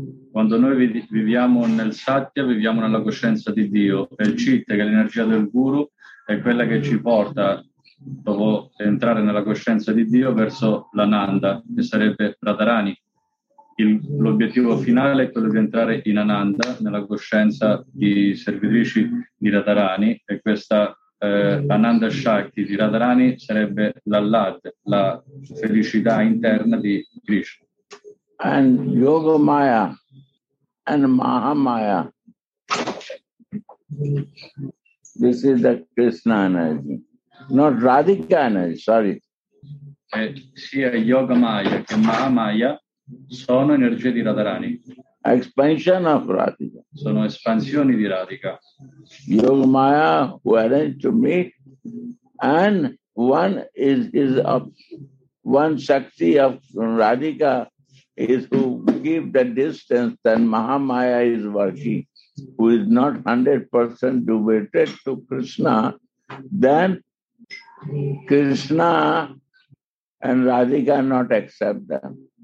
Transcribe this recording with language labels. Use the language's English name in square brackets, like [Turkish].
[Italian] Quando noi viviamo nel Satya, viviamo nella coscienza di Dio, e il Chitta, che è l'energia del Guru, è quella che ci porta, dopo entrare nella coscienza di Dio, verso l'Ananda, che sarebbe Radharani. L'obiettivo finale è quello di entrare in Ananda, nella coscienza di servitrici di Radharani, e questa Ananda Shakti di Radharani sarebbe l'Allad, la felicità interna di Krishna. [English] And Yoga Maya and Mahamaya, this is the Krishna energy, not Radhika energy, sorry. [Italian] Sia Yoga Maya che Mahamaya sono energie di Radharani. [English] Expansion of Radhika. [Italian] Sono espansioni di Radhika. [English] Yoga Maya who arranged to meet, and one is of one Shakti of Radhika is who give the distance, then Mahamaya is working, who is not 100% devoted to Krishna, then Krishna and Radhika not accept them.